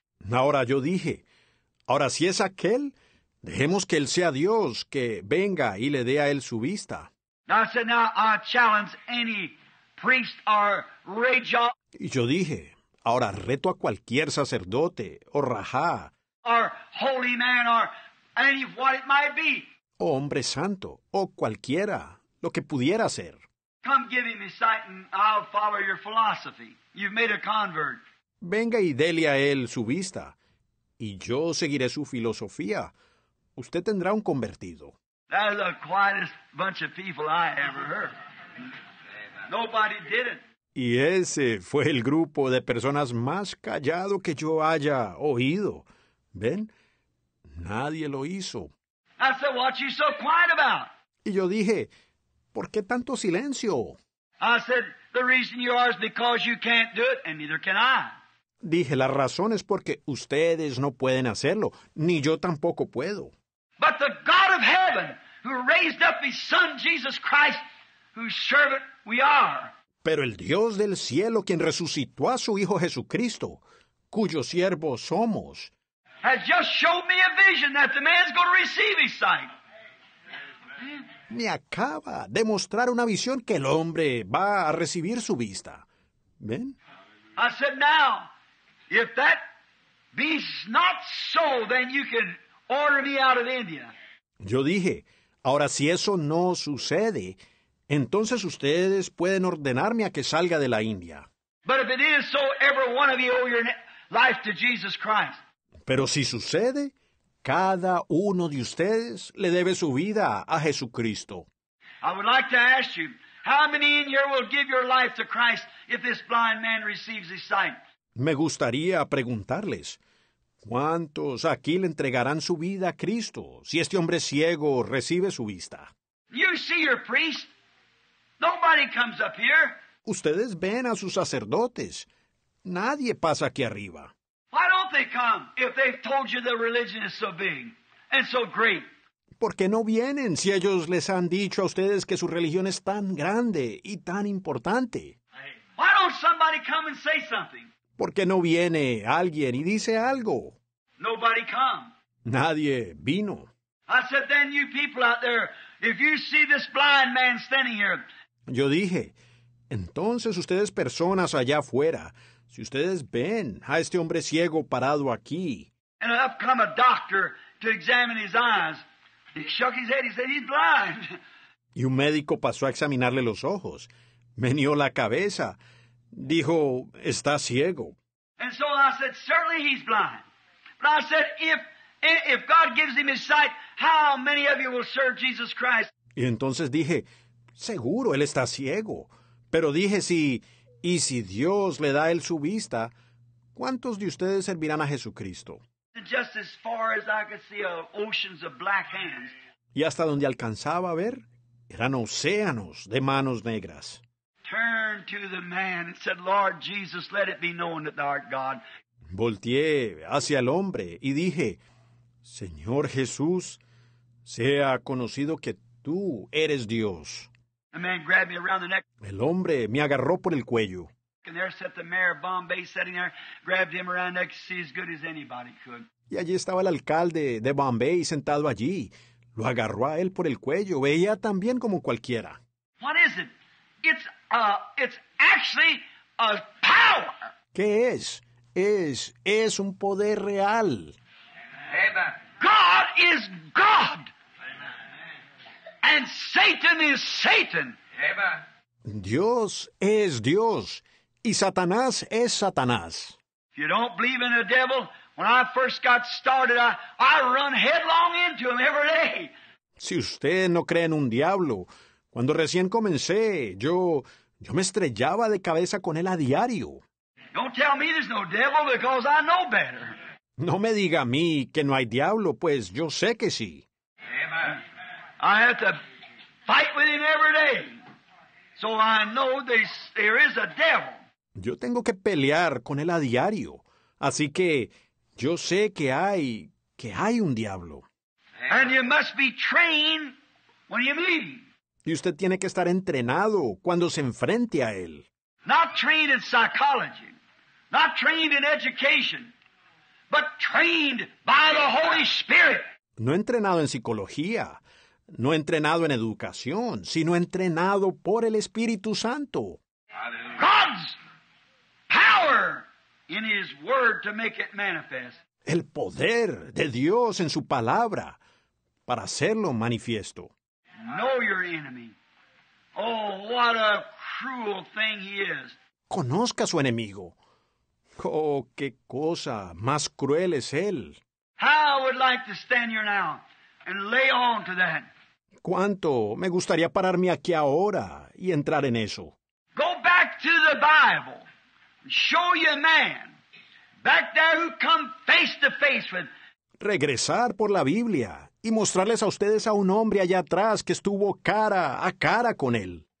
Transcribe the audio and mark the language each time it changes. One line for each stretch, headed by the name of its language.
Spanish: Ahora yo dije, ahora si es aquel, dejemos que él sea Dios que venga y le dé a él su vista.
English: Now I challenge any priest or
Spanish: y yo dije, Ahora reto a cualquier sacerdote, o rajá,
English: or holy man, or any what it might be,
Spanish: o hombre santo, o cualquiera, lo que pudiera ser.
English: Come give me sight and I'll follow your philosophy. You've made a convert.
Spanish: Venga y dele a él su vista, y yo seguiré su filosofía. Usted tendrá un convertido.
English: That's the quietest bunch of people I ever heard. Nobody did it.
Spanish: Y ese fue el grupo de personas más callado que yo haya oído. ¿Ven? Nadie lo hizo.
English: I said, what you so quiet about?
Spanish: Y yo dije, ¿por qué tanto silencio?
English: I said, the reason you are is because you can't do it, and neither can I.
Spanish: Dije, la razón es porque ustedes no pueden hacerlo, ni yo tampoco puedo.
English: But the God of heaven, who raised up his son Jesus Christ, whose servant we are.
Spanish: Pero el Dios del cielo, quien resucitó a su Hijo Jesucristo, cuyos siervos somos,
English: has just showed me a vision that the man's going to receive his sight.
Spanish: Me acaba de mostrar una visión que el hombre va a recibir su vista. ¿Ven?
English: I said, now, if that be not so, then you can order me out of India.
Spanish: Yo dije, ahora si eso no sucede, entonces ustedes pueden ordenarme a que salga de la India.
English: But if it is so, every one of you owe your life to Jesus Christ.
Spanish: Pero si sucede, cada uno de ustedes le debe su vida a Jesucristo.
English: I would like to ask you, how many in here will give your life to Christ if this blind man receives his sight?
Spanish: Me gustaría preguntarles, ¿cuántos aquí le entregarán su vida a Cristo si este hombre ciego recibe su vista?
English: You see your priest. Nobody comes up here.
Spanish: Ustedes ven a sus sacerdotes. Nadie pasa aquí arriba.
English: Why don't they come if they've told you the religion is so big and so great?
Spanish: ¿Por qué no vienen si ellos les han dicho a ustedes que su religión es tan grande y tan importante?
English: Why don't somebody come and say something?
Spanish: ¿Por qué no viene alguien y dice algo?
English: Nobody come.
Spanish: Nadie vino.
English: I said, then you people out there, if you see this blind man standing here.
Spanish: Yo dije, entonces ustedes personas allá afuera, si ustedes ven a este hombre ciego parado aquí.
English: And up come a doctor to examine his eyes. He shook his head, he said, he's blind.
Spanish: Y un médico pasó a examinarle los ojos. Meneó la cabeza. Dijo, está ciego.
English: And so I said, certainly he's blind. But I said, if God gives him his sight, how many of you will serve Jesus Christ?
Spanish: Y entonces dije, seguro, él está ciego. Pero dije, si Dios le da a él su vista, ¿cuántos de ustedes servirán a Jesucristo?
English: Just as far as I could see, oceans of black hands.
Spanish: Y hasta donde alcanzaba a ver, eran océanos de manos negras.
English: Turned to the man and said, Lord Jesus, let it be known that thou art God.
Spanish: Volteé hacia el hombre y dije, Señor Jesús, sea conocido que tú eres Dios.
English: The man grabbed me around the neck.
Spanish: El hombre me agarró por el cuello.
English: And there sat the mayor of Bombay sitting there, grabbed him around the neck to see as good as anybody could.
Spanish: Y allí estaba el alcalde de Bombay sentado allí. Lo agarró a él por el cuello. Veía tan bien como cualquiera.
English: What is it? It's actually a power.
Spanish: ¿Qué es? Es un poder real.
English: Amen. God is God. Amen. And Satan is Satan. Amen.
Spanish: Dios es Dios y Satanás es Satanás.
English: If you don't believe in the devil, when I first got started, I run headlong into him every day.
Spanish: Si usted no cree en un diablo, cuando recién comencé, yo me estrellaba de cabeza con él a diario.
English: Don't tell me there's no devil because I know better.
Spanish: No me diga a mí que no hay diablo, pues yo sé que sí. Amen.
English: I have to fight with him every day. So I know there is a devil.
Spanish: Yo tengo que pelear con él a diario. Así que yo sé que hay un diablo. Amen.
English: And you must be trained when you meet him.
Spanish: Y usted tiene que estar entrenado cuando se enfrente a él.
English: Not trained in psychology, not trained in education, but trained by the Holy Spirit.
Spanish: No entrenado en psicología, no entrenado en educación, sino entrenado por el Espíritu Santo.
English: God's power in his word to make it manifest.
Spanish: El poder de Dios en su palabra para hacerlo manifiesto.
English: Know your enemy. Oh, what a cruel thing he is.
Spanish: Conozca a su enemigo. Oh, qué cosa más cruel es él.
English: How I would like to stand here now and lay on to that.
Spanish: ¿Cuánto me gustaría pararme aquí ahora y entrar en eso?
English: Go back to the Bible. Show you a man. Back there who come face to face with.
Spanish: Regresar por la Biblia y mostrarles a ustedes a un hombre allá atrás que estuvo cara a cara con él.